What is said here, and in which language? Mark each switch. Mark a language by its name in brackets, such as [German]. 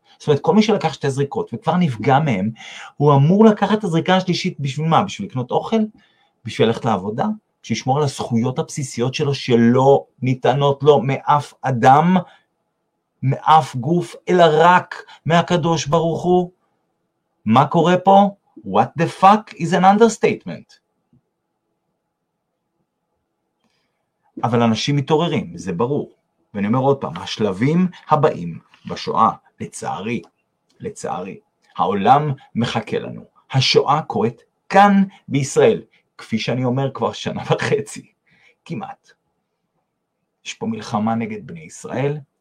[Hebrew] זאת אומרת, כל מי שלקח 2 זריקות, וכבר נפגע מהם, הוא אמור לקחת את הזריקה השלישית, בשביל מה? בשביל לקנות אוכל? בשביל ללכת לעבודה? בשביל לשמור על הזכויות הבסיסיות שלו, שלא ניתנות לו מאף אדם, מאף גוף, אלא רק מהקדוש ברוך הוא? מה קורה פה? [English] What the fuck is an understatement? [Hebrew] אבל אנשים מתעוררים, זה ברור. ואני אומר עוד פעם, השלבים הבאים בשואה, לצערי, לצערי, העולם מחכה לנו. השואה קורית כאן בישראל, כפי שאני אומר כבר 1.5 שנים, כמעט. יש פה מלחמה נגד בני ישראל,